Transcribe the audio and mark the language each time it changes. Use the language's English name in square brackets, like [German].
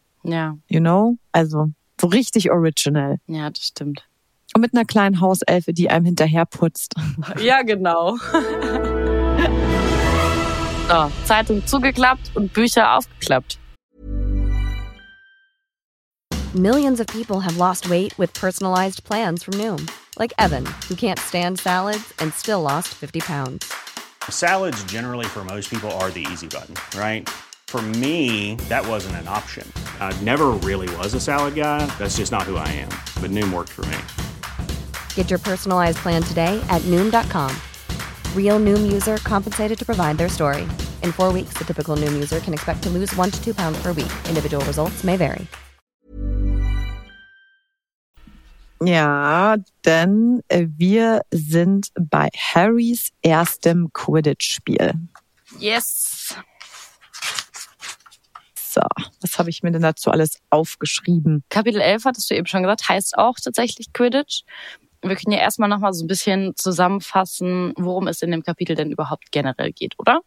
[German] Ja. [English] You know? [German] Also so richtig original. Ja, das stimmt. Und mit einer kleinen Hauselfe, die einem hinterher putzt. Ja, genau. So, Zeitung zugeklappt und Bücher aufgeklappt. [English] Millions of people have lost weight with personalized plans from Noom. Like Evan, who can't stand salads and still lost 50 pounds. Salads generally for most people are the easy button, right? For me, that wasn't an option. I never really was a salad guy. That's just not who I am. But Noom worked for me. Get your personalized plan today at Noom.com. Real Noom user compensated to provide their story. In 4 weeks, the typical Noom user can expect to lose 1 to 2 pounds per week. Individual results may vary. [German] Ja, denn wir sind bei Harrys erstem Quidditch-Spiel. [English] Yes. [German] So, was habe ich mir denn dazu alles aufgeschrieben? Kapitel 11, hattest du eben schon gesagt, heißt auch tatsächlich Quidditch. Wir können ja erstmal nochmal so ein bisschen zusammenfassen, worum es in dem Kapitel denn überhaupt generell geht, oder?